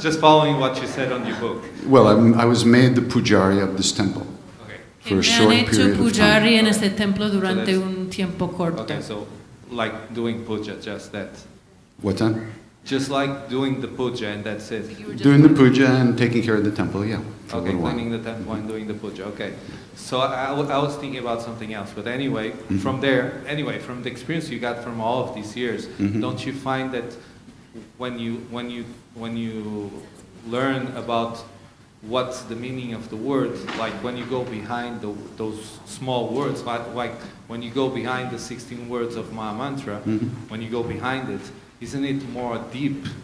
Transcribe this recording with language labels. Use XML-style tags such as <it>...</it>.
<en>Just following what you said on your book. Well, I was made the pujari of this temple. Okay. For a short period of time.</en> <es>Me han hecho pujari en este templo durante un tiempo corto.</es> <en>Okay, so like doing puja, just that. What then? Just like doing the puja and that's it. Doing the puja and taking care of the temple, yeah. Okay, cleaning the temple and doing the puja, okay. So I was thinking about something else, but anyway, from the experience you got from all of these years, don't you find that when you learn about what's the meaning of the words, like when you go behind those small words, like when you go behind the 16 words of Maha Mantra, when you go behind it, isn't it more deep?</en>